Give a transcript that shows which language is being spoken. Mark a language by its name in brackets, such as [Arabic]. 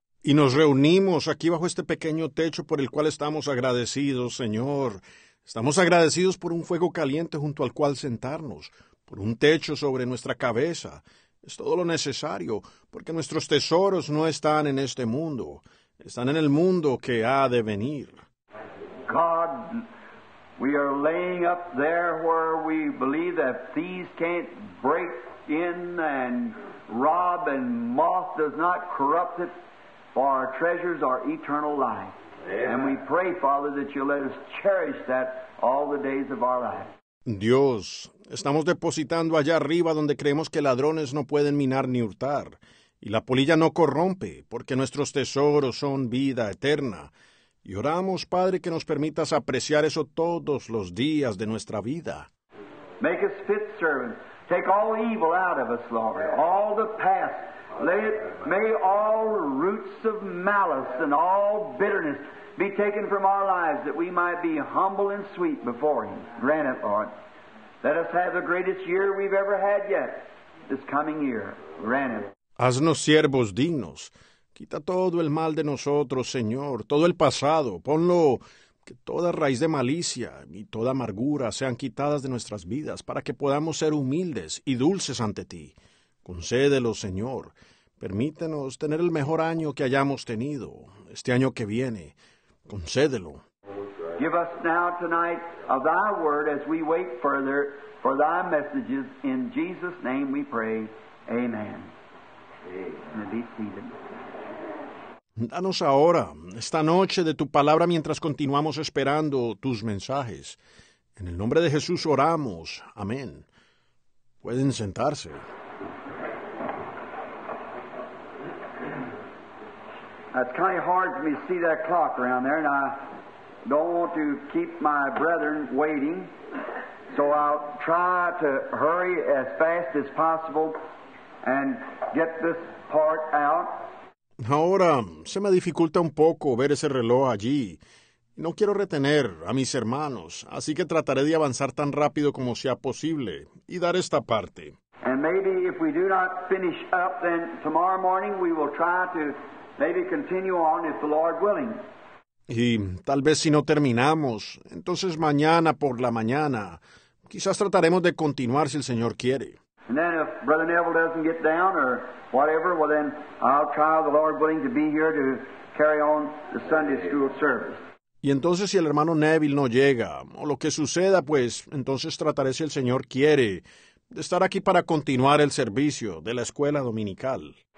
[Spanish] Y nos reunimos aquí bajo este pequeño techo por el cual estamos agradecidos, Señor. Estamos agradecidos por un fuego caliente junto al cual sentarnos. Por un techo sobre nuestra cabeza. Es todo lo necesario. Porque nuestros tesoros no están en este mundo. Están en el mundo que ha de venir. [English] God, we are laying up there where we believe that thieves can't break in and rob, and moth does not corrupt it, for our treasures are eternal life. Amen. And we pray, Father, that you let us cherish that all the days of our life. [Spanish] Dios, estamos depositando allá arriba donde creemos que ladrones no pueden minar ni hurtar, y la polilla no corrompe, porque nuestros tesoros son vida eterna. Y oramos, Padre, que nos permitas apreciar eso todos los días de nuestra vida. [English] Make us fit servants. Take all evil out of us, Lord. All the past. May all roots of malice and all bitterness be taken from our lives, that we might be humble and sweet before you. Grant it, Lord. Let us have the greatest year we've ever had yet, this coming year. Grant it. [Spanish] Haznos siervos dignos. Quita todo el mal de nosotros, Señor, todo el pasado. Ponlo, que toda raíz de malicia y toda amargura sean quitadas de nuestras vidas para que podamos ser humildes y dulces ante ti. Concédelo, Señor. Permítenos tener el mejor año que hayamos tenido, este año que viene. Concédelo. [English] Give us now tonight of thy word as we wait further for thy messages. In Jesus' name we pray. Amen. And be seated. [Spanish] Danos ahora, esta noche, de tu palabra mientras continuamos esperando tus mensajes. En el nombre de Jesús oramos. Amén. Pueden sentarse. [English] It's kind of hard for me to see that clock around there, and I don't want to keep my brethren waiting, so I'll try to hurry as fast as possible and get this part out. [Spanish] Ahora, se me dificulta un poco ver ese reloj allí. No quiero retener a mis hermanos, así que trataré de avanzar tan rápido como sea posible y dar esta parte. [English] And maybe if we do not finish up, then tomorrow morning we will try to maybe continue on if the Lord willing. [Spanish] Y tal vez si no terminamos, entonces mañana por la mañana, quizás trataremos de continuar si el Señor quiere. [English] And then if Brother Neville doesn't get down or whatever, well then I'll try the Lord willing to be here to carry on the Sunday school service. [Spanish] Y entonces si el hermano Neville no llega, o lo que suceda, pues entonces trataré si el Señor quiere de estar aquí para continuar el servicio de la escuela dominical.